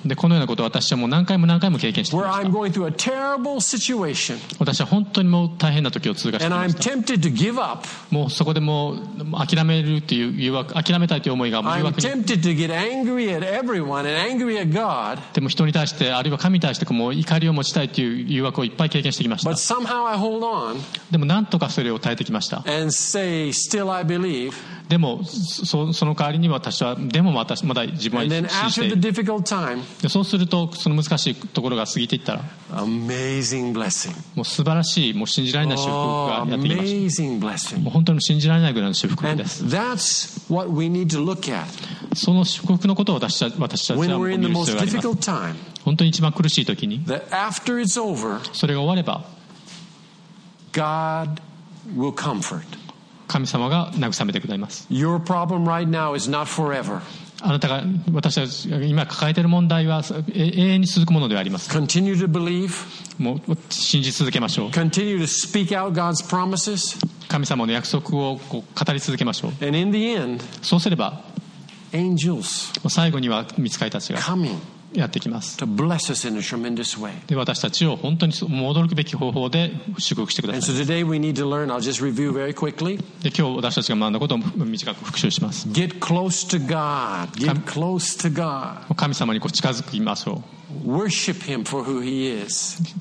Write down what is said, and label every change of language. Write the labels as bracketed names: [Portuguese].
[Japanese] でこのようなことを私はもう何回も経験してきました。 [English] Where I'm going through a terrible situation. [Japanese] 私は本当にもう大変な時を通過してきました。 [English] And I'm tempted to give up. [Japanese] もうそこでもう諦めるという誘惑、諦めたいという思いが誘惑に。 [English] I'm tempted to get angry at everyone and angry at God. [Japanese] でも人に対してあるいは神に対してもう怒りを持ちたいという誘惑をいっぱい経験してきました。 [English] But somehow I hold on. [Japanese] でもなんとかそれを耐えてきました。 [English] And say, still I believe. [Japanese] でもその代わりに私はでも私まだ自分は信じている。そうするとその難しいところが過ぎていったら、 [English] Amazing blessing. [Japanese] もう素晴らしい、もう信じられない祝福がやってきました。 [English] Amazing blessing. [Japanese] もう本当に信じられないぐらいの祝福です。 [English] And that's what we need to look at. [Japanese] その祝福のことを私たちは見る必要があります。Time, 本当に一番苦しい時に [English] that after it's over, [Japanese] それが終われば [English] God will comfort. [Japanese] 神様が慰めてくださいます。 [English] Your problem right now is not forever. [Japanese] あなたが私たちが今抱えている問題は永遠に続くものではありません。 [English] Continue to believe. [Japanese] もう信じ続けましょう。 [English] Continue to speak out God's promises. [Japanese] 神様の約束をこう語り続けましょう。 [English] And in the end, [Japanese] そうすれば [English] angels [Japanese] 最後には御使いたちが [English] coming. [Japanese] やってきます。 [English] To bless us in a tremendous way. [Japanese] で私たちを本当に驚くべき方法で祝福してください。 [English] And so today we need to learn. I'll just review very quickly. [Japanese] で今日私たちが学んだことを短く復習します。 [English] Get close to God. Get close to God. [Japanese] 神様にこう近づきましょう。 [English] Worship Him for who He is.